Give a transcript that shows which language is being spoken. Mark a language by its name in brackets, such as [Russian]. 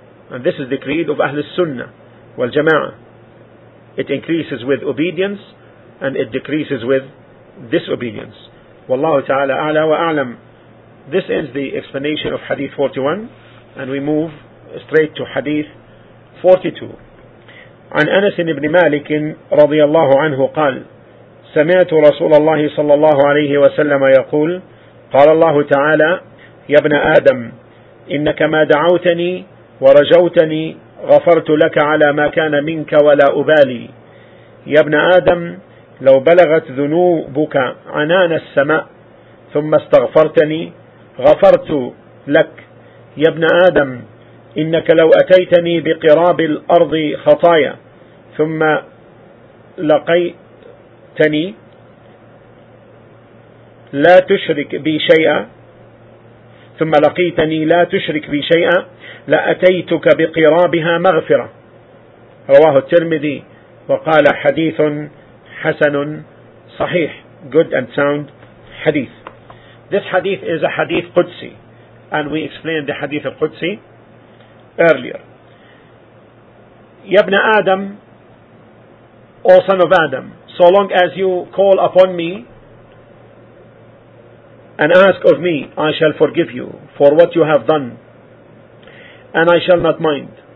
[English] And this is the creed of Ahlul Sunnah والجماعه. It increases with obedience and it decreases with disobedience. [Arabic] Wallahu ta'ala a'la wa a'lam. [English] This ends the explanation of hadith 41, and we move straight to hadith 42. [Arabic] عن أنس بن مالك رضي الله عنه قال سمعت رسول الله صلى الله عليه وسلم يقول قال الله تعالى يا ابن آدم إنك ما دعوتني ورجوتني غفرت لك على ما كان منك ولا أبالي. يا ابن آدم لو بلغت ذنوبك عنان السماء ثم استغفرتني غفرت لك. يا ابن آدم إنك لو أتيتني بقراب الأرض خطايا ثم لقيتني لا تشرك بي شيئا ثم لقيتني لا تشرك بي شيئا لأتيتك بقرابها مغفرة. رواه الترمذي وقال حديث حسن صحيح. [English] Good and sound hadith. This hadith is a hadith Qudsi, and we explained the hadith Qudsi earlier. Yabna Adam, O son of Adam, so long as you call upon me and ask of me, I shall forgive you for what you have done, and I shall not mind.